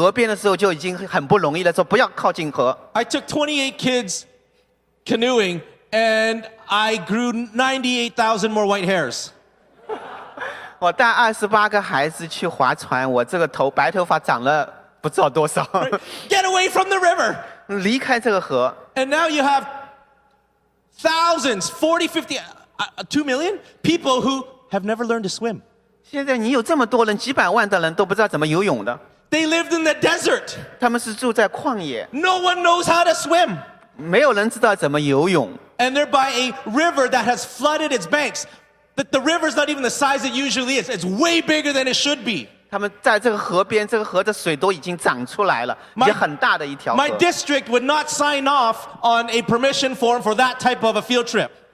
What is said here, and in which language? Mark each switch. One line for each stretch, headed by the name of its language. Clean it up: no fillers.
Chinese: 我带孩子去这河边的时候就已经很不容易了, 说不要靠近河。
English: I took 28 kids canoeing and I grew 98,000 more white hairs.
Chinese: 我带28个孩子去划船, 我这个头白头发长了不知道多少。
English: Get away from the river.
Chinese: 离开这个河。
English: And now you have thousands, 40, 50, 2 million people who have never learned to swim.
Chinese: 现在你有这么多人, 几百万的人都不知道怎么游泳的。
English: They lived in the desert.
Chinese: 他们是住在旷野。
English: No one knows how to swim.
Chinese: 没有人知道怎么游泳。
English: And they're by a river that has flooded its banks. That the river's not even the size it usually is. It's way bigger than it should be.
Chinese: 他们在这个河边, 这个河的水都已经涨出来了, 也很大的一条河。
English: My district would not sign off on a permission form for that type of a field trip.